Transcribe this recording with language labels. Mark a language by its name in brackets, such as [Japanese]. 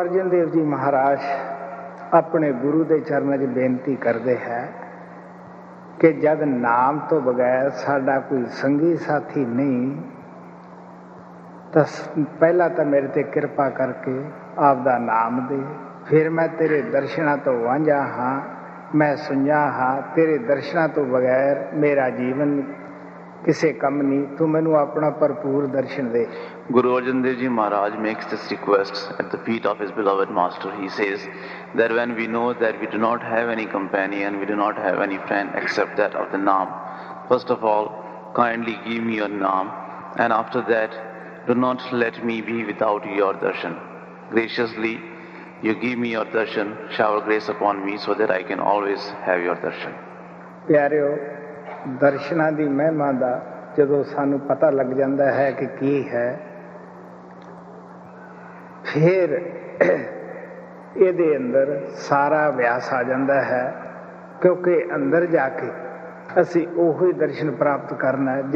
[Punjabi] ਦੇਵ ਜੀ ਮਹਾਰਾਜ ਆਪਣੇ ਗੁਰੂ ਦੇ ਚਰਨ 'ਚ ਬੇਨਤੀ ਕਰਦੇ ਹੈ ਕਿ ਜਦ ਨਾਮ ਤੋਂ ਬਗੈਰ ਸਾਡਾ ਕੋਈ ਸੰਗੀ ਸਾਥੀ ਨਹੀਂ ਤਾਂ ਪਹਿਲਾਂ ਤਾਂ ਮੇਰੇ 'ਤੇ ਕਿਰਪਾ ਕਰਕੇ ਆਪਦਾ ਨਾਮ ਦੇ, ਫਿਰ ਮੈਂ ਤੇਰੇ ਦਰਸ਼ਨਾਂ ਤੋਂ ਵਾਂਝਾ ਹਾਂ, ਮੈਂ ਸੁੰਝਾ ਹਾਂ, ਤੇਰੇ ਦਰਸ਼ਨਾਂ ਤੋਂ ਬਗੈਰ ਮੇਰਾ ਜੀਵਨ ਕਿਸੇ ਕੰਮ ਨਹੀਂ, ਤੂੰ ਮੈਨੂੰ ਆਪਣਾ ਭਰਪੂਰ ਦਰਸ਼ਨ ਦੇ। [English] Guru Arjan Dev Ji Maharaj makes this request at the feet of his beloved master. He says that when we know that we do not have any companion, we do not have any friend except that of the Naam, first of all, kindly give me your Naam, and after that, do not let me be without your darshan. Graciously, you give me your darshan, shower grace upon me so that I can always have your darshan. [Punjabi] Pyareo, darshana di mehma da, jado sanu pata lag janda hai ki ki hai, ਫਿਰ ਇਹਦੇ ਅੰਦਰ ਸਾਰਾ ਅਭਿਆਸ ਆ ਜਾਂਦਾ ਹੈ, ਕਿਉਂਕਿ ਅੰਦਰ ਜਾ ਕੇ ਅਸੀਂ ਉਹੋ ਹੀ ਦਰਸ਼ਨ ਪ੍ਰਾਪਤ ਕਰਨਾ ਹੈ।